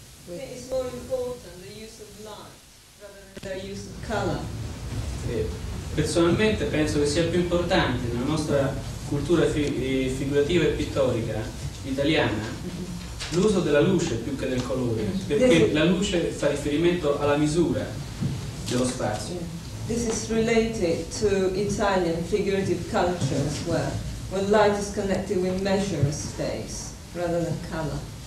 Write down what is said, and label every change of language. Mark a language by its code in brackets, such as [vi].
[en] It's more important the use of light rather than the use of color. [it] Personalmente penso che sia più importante nella nostra cultura figurativa e pittorica italiana l'uso della luce più che del colore, perché la luce fa riferimento alla misura dello spazio. [en] This is related to Italian figurative culture as well, where light is connected with measure of space rather than color.